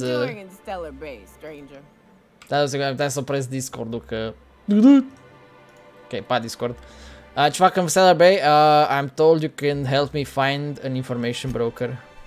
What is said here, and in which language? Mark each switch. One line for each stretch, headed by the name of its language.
English: What are you doing in Stellar Bay, stranger?
Romanian: Dar o secundă, am uitat să opresc Discord-ul că... Ok, pa Discord. Ce fac în Stellar Bay?
English: I'm told you can help me find an information broker.